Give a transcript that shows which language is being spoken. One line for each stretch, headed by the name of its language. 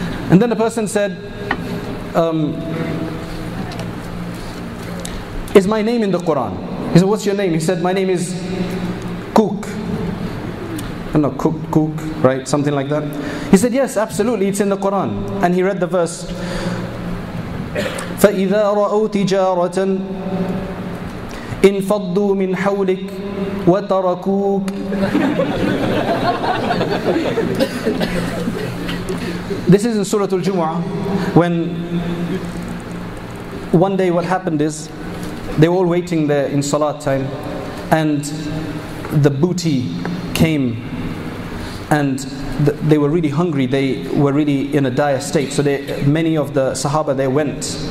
English: And then the person said, "Is my name in the Quran?" He said, "What's your name?" He said, "My name is Cook." I don't know, cook, right? Something like that. He said, "Yes, absolutely, it's in the Quran." And he read the verse,
Arabic: "فَإِذَا رَأَوْا تِجَارَةً انْفَضُّوا مِنْ حَوْلِكَ وَتَرَكُوكَ."
English: This is in Surah Al-Jumu'ah, when one day what happened is, they were all waiting there in Salat time, and the booty came, and they were really hungry, they were really in a dire state, so many of the Sahaba, they went.